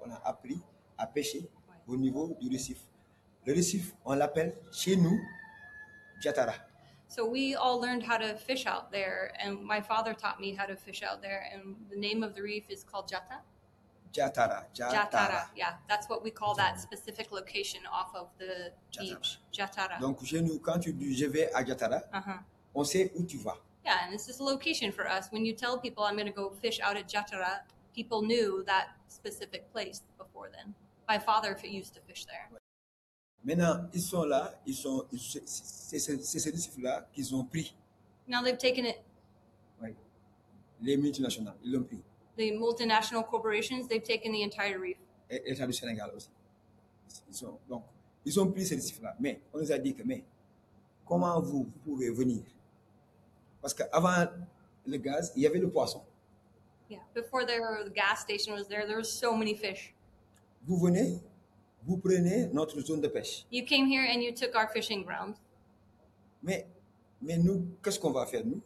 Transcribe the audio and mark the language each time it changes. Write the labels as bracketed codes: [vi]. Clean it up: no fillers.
[fr] On a appris à pêcher au niveau du récif. Le récif, on l'appelle chez nous, Jatara. [en] So we all learned how to fish out there, and my father taught me how to fish out there, and the name of the reef is called Jatara. Yeah, that's what we call that specific location off of the beach, Jatara. [fr] Donc chez nous, quand tu dis je vais à Jatara, on sait où tu vas. [en] Yeah, and this is a location for us. When you tell people I'm going to go fish out at Jatara, people knew that specific place before then. My father used to fish there. [fr] Maintenant, ils sont là, c'est ces récifs-là qu'ils ont pris. [en] Now they've taken it. [fr] Oui. Les multinationales, ils l'ont pris. [en] The multinational corporations, they've taken the entire reef. [fr] Et l'État du Sénégal aussi. Ils ont pris ces récifs-là. Mais, on nous a dit que, comment vous pouvez venir? Parce qu'avant le gaz, il y avait le poisson. [en] Yeah, before the gas station was there, there were so many fish. [fr] Vous venez? Vous prenez notre zone de pêche. [en] You came here and you took our fishing ground. [fr] Mais nous, qu'est-ce qu'on va faire, nous?